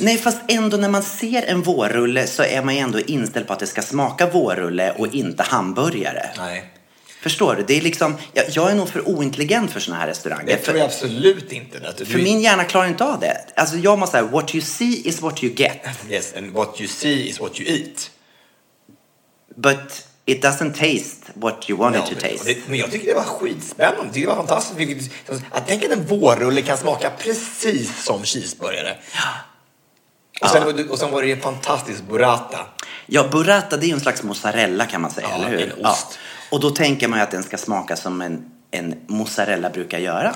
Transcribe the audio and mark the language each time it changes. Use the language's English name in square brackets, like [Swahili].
[Swedish] Nej, fast ändå när man ser en vårrulle så är man ju ändå inställd på att det ska smaka vårrulle och inte hamburgare. Nej. Förstår du? Det är liksom, jag är nog för ointelligent för såna här restauranger. Det tror jag absolut inte. För min hjärna klarar inte av det. Alltså jag måste säga, [English] what you see is what you get. Yes, and what you see is what you eat. But it doesn't taste what you want it to taste. [Swedish] Men jag tycker det var skitspännande. Det var fantastiskt. Jag tänker att en vårrulle kan smaka precis som cheeseburgare. Ja. Och sen var det en fantastisk burrata. Ja, burrata det är ju en slags mozzarella kan man säga, ja, eller hur? En ost. Ja. Och då tänker man ju att den ska smaka som en mozzarella brukar göra.